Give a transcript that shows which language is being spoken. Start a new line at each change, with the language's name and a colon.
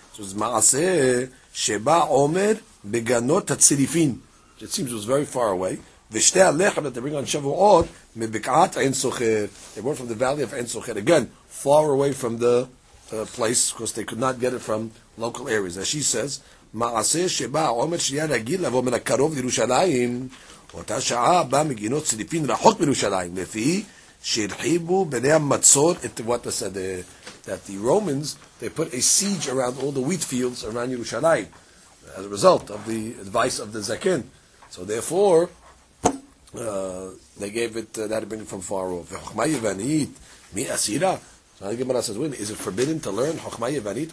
English: So it's
Hebrew: Ma'aseh Sheba Omer Beganot HaTzirifin.
English: It seems it was very far away.
Hebrew: V'shteh Alechem
English: that they bring on Shavuot Mebek'at Ein Socher. They were from the valley of Ein Socher. Again, far away from the place, because they could not get it from local areas. As she says,
Hebrew: מעשה שבא עומר שנייה רגיל לבוא מן הקרוב לירושלים, אותה שעה בא מגינות צליפין רחוק מירושלים, לפי שהרחיבו בני המצור את תבואת השדה.
English: That the Romans, they put a siege around all the wheat fields around Yerushalayim as a result of the advice of the Zaken. So therefore, they gave it, that had been from far off.
Hebrew: Chokhmah Yevanit, mi asira?
English: So the Gemara says, wait, is it forbidden to learn Chokhmah Yevanit?